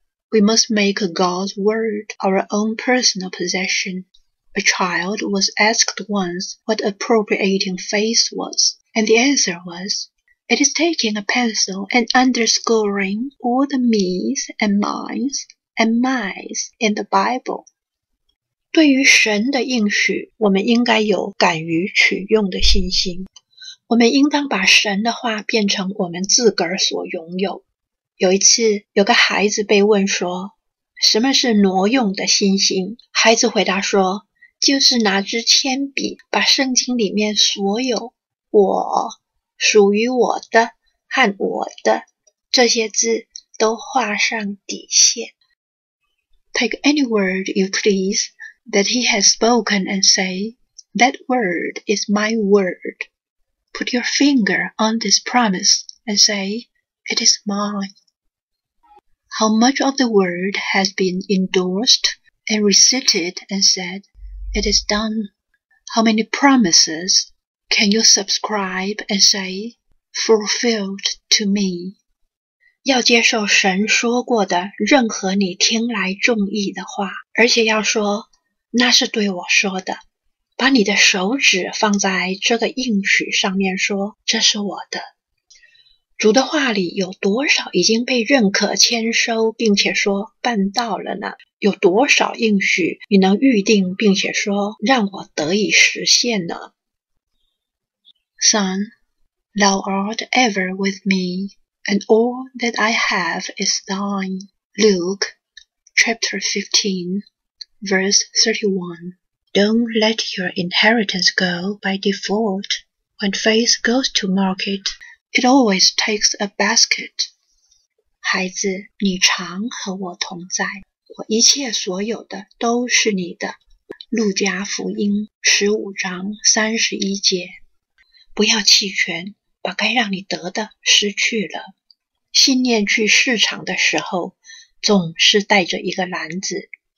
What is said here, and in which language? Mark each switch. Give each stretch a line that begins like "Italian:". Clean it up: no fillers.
English: We must make God's word our own personal possession. A child was asked once what appropriating faith was, and the answer was, it is taking a pencil and underscoring all the me's and mine'sAnd mice in the Bible.
Chinese: 对于神的应许，我们应该有敢于取用的信心。我们应当把神的话变成我们自个儿所拥有。有一次，有个孩子被问说，什么是挪用的信心？孩子回答说，就是拿支铅笔，把圣经里面所有我、属于我的和我的这些字都画上底线。
English: Take any word you please that he has spoken and say, that word is my word. Put your finger on this promise and say, it is mine. How much of the word has been endorsed and recited and said, it is done? How many promises can you subscribe and say, fulfilled to me?
Chinese: 要接受神说过的任何你听来中意的话，而且要说，那是对我说的。把你的手指放在这个应许上面说，这是我的。主的话里有多少已经被认可签收，并且说办到了呢？有多少应许你能预定，并且说让我得以实现呢？
English: Son, thou art ever with me. And all that I have is thine. Luke chapter 15 verse 31. Don't let your inheritance go by default. When faith goes to market, it always takes a basket.
Chinese: 孩子，你常和我同在，我一切所有的都是你的。路加福音15章31节。不要弃权，把该让你得的失去了。信念去市场的时候，总是带着一个篮子